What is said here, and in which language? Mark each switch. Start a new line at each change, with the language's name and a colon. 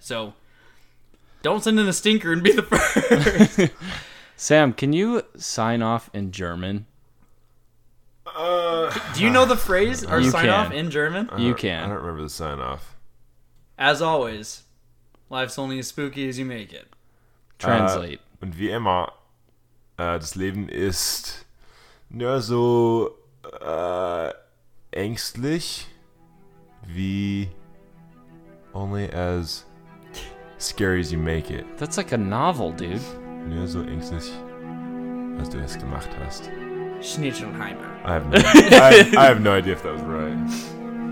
English: So don't send in a stinker and be the first. Sam, can you sign off in German? Do you know the phrase or sign off in German? You can. I don't remember the sign off. As always, life's only as spooky as you make it. Translate.
German: Und wie immer, das Leben ist nur so ängstlich wie
English: only as scary as you make it. That's like a novel, dude.
German: Nur so ängstlich, was du es gemacht hast. Schnitzelheimer.
English: I have no idea if that was right.